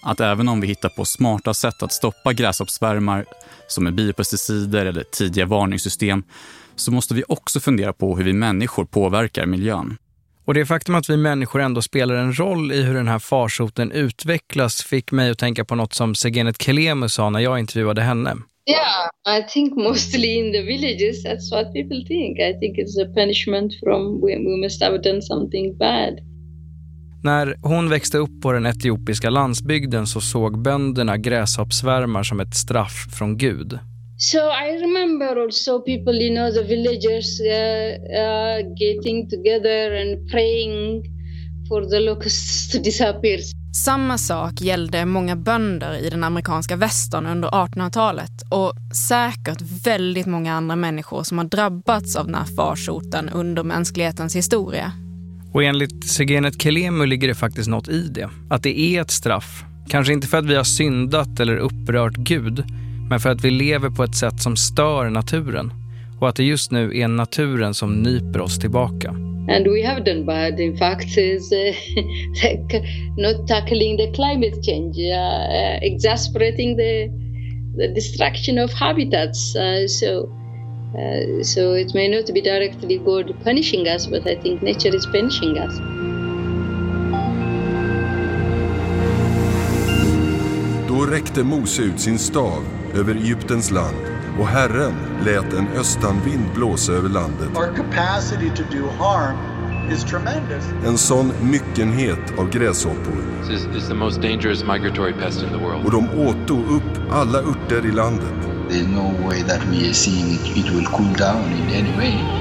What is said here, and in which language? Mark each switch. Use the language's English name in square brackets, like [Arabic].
[Swedish] Att även om vi hittar på smarta sätt att stoppa gräshoppsvärmar som är biopesticider eller tidiga varningssystem, så måste vi också fundera på hur vi människor påverkar miljön. Och det faktum att vi människor ändå spelar en roll i hur den här farsoten utvecklas fick mig att tänka på något som Segenet Kelemu sa när jag intervjuade henne. [English] Yeah, I think mostly in the villages, that's what people think. I think it's a punishment from when we must have done something bad. [Swedish] När hon växte upp på den etiopiska landsbygden så såg bönderna gräshoppsvärmar som ett straff från Gud. [English] So I remember also people, you know, the villagers getting together and praying for the locusts to disappear. [Swedish] Samma sak gällde många bönder i den amerikanska västern under 1800-talet och säkert väldigt många andra människor som har drabbats av den här farsoten under mänsklighetens historia. Och enligt Segenet Kelemu ligger det faktiskt något i det. Att det är ett straff. Kanske inte för att vi har syndat eller upprört Gud, men för att vi lever på ett sätt som stör naturen. Och att det just nu är naturen som nyper oss tillbaka. [English] And we have done bad, in fact, is like not tackling the climate change, exasperating the destruction of habitats. So it may not be directly God punishing us, but I think nature is punishing us. [Swedish] Då räckte Mose ut sin stav över Egyptens land. Och Herren lät en östanvind blåsa över landet. [English] Our capacity to do harm is tremendous. [Swedish] En sån myckenhet av gräshoppor. [English] This is the most dangerous migratory pest in the world. [Swedish] Och de åt upp alla örter i landet. [English] There's no way that we are seeing it will cool down in any way.